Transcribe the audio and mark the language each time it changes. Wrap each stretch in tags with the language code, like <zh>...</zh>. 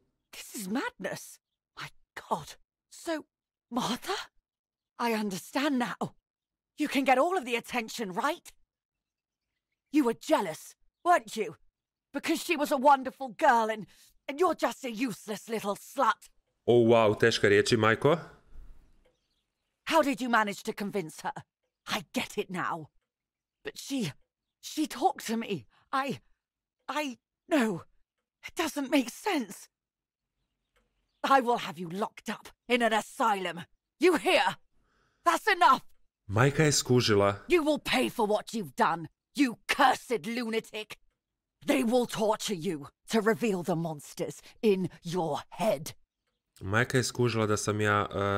<en>This is madness. My God. So, Martha? I understand now. You can get all of the attention, right? You were jealous, weren't you? Because she was a wonderful girl and you're just a useless little slut.</en> <hr>Oh, wow, teška riječi, Majko.</hr> <en>How did you manage to convince her? I get it now. But she talked to me. I... No. It doesn't make sense. I will have you locked up in an asylum. You hear? That's enough.</en> <hr>Majka je skužila.</hr> <en>You will pay for what you've done, you cursed lunatic. They will torture you to reveal the monsters in your head.</en> <hr>Majka je skužila da sam ja...</hr>